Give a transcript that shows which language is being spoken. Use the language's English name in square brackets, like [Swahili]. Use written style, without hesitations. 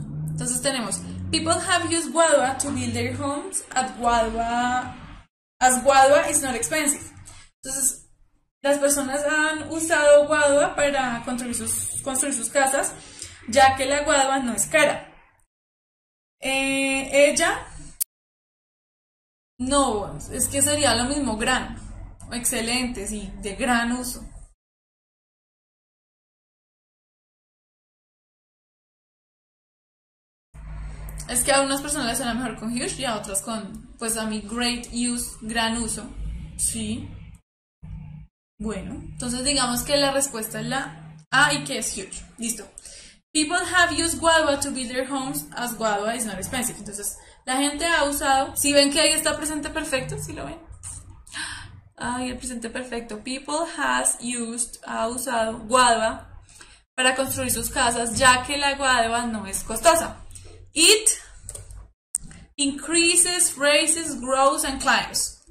[Spanish] Entonces tenemos, [English] people have used guadua to build their homes at guadua, as guadua is not expensive. [Spanish] Entonces, las personas han usado guadua para construir sus casas, ya que la guadua no es cara. Ella, no, es que sería lo mismo, gran. Excelente, sí, de gran uso. Es que a unas personas les suena mejor con huge y a otras con, pues a mí, [English] great use, [Spanish] gran uso. Sí. Bueno, entonces digamos que la respuesta es la A y que es huge. Listo. [English] People have used guadua to build their homes as guadua is not expensive. [Spanish] Entonces, la gente ha usado. Si ¿sí ven que ahí está presente perfecto? Si ¿sí lo ven? Ay, el presente perfecto. [English] People has used, [Spanish] ha usado guadua para construir sus casas, ya que la guadua no es costosa. [English] It increases, raises, grows and climbs.